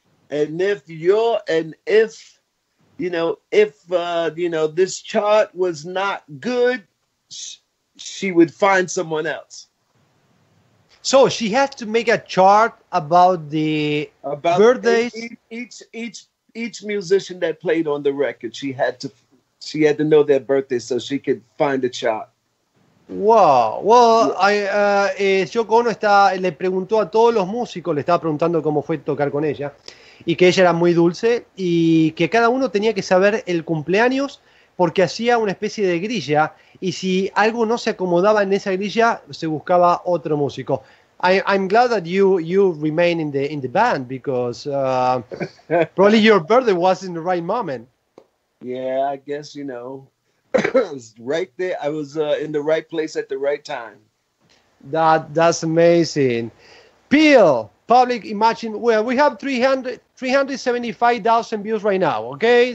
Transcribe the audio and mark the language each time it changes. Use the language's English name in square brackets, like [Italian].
[English] And if this chart was not good, she would find someone else. So she has to make a chart about birthdays. Each musician that played on the record, she had to know their birthday so she could find a chart. Wow. [Spanish] Well, Yoko Ono le preguntó a todos los músicos, le estaba preguntando cómo fue tocar con ella, y que ella era muy dulce, y que cada uno tenía que saber el cumpleaños porque hacía una especie de grilla, y si algo no se acomodaba en esa grilla, se buscaba otro músico. [English] I'm glad that you remain in the band, because probably your birthday was in the right moment. Yeah, I guess, you know, right there, I was in the right place at the right time. That's amazing. Peel, Public Imagine, well, we have 375,000 views right now, okay?